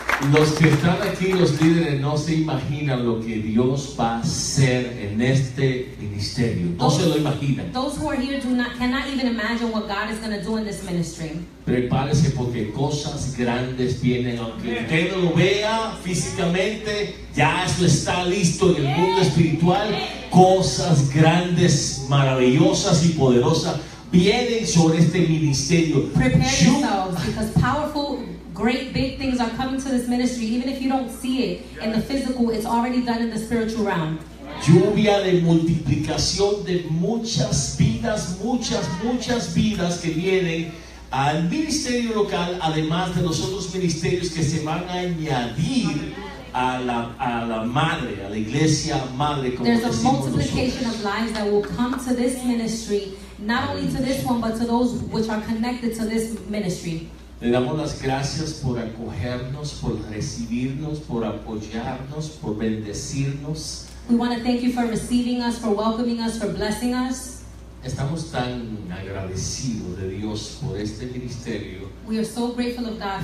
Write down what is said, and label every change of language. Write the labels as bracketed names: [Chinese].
[Spanish] Los que están aquí, los líderes, no se imaginan lo que Dios va a hacer en este ministerio. No se lo imaginan. [English] Those who are here cannot even imagine what God is going to do in this ministry. [Spanish] Prepárese porque cosas grandes vienen. Aunque usted no lo vea físicamente, ya eso está listo en el mundo espiritual. Cosas grandes, maravillosas y poderosas vienen sobre este ministerio. [English] Prepare yourselves because powerful, great, big things are coming to this ministry. Even if you don't see it in the physical, it's already done in the spiritual realm. [Spanish] Lluvia de multiplicación de muchas vidas que vienen al ministerio local, además de los otros ministerios que se van a añadir a la madre, a la iglesia madre, como decimos nosotros. [English] There's a multiplication of lives that will come to this ministry, not only to this one, but to those which are connected to this ministry. [Spanish] Le damos las gracias por acogernos, por recibirnos, por apoyarnos, por bendecirnos. [English] We want to thank you for receiving us, for welcoming us, for blessing us. [Spanish] Estamos tan agradecidos de Dios por este ministerio. [English] We are so grateful of God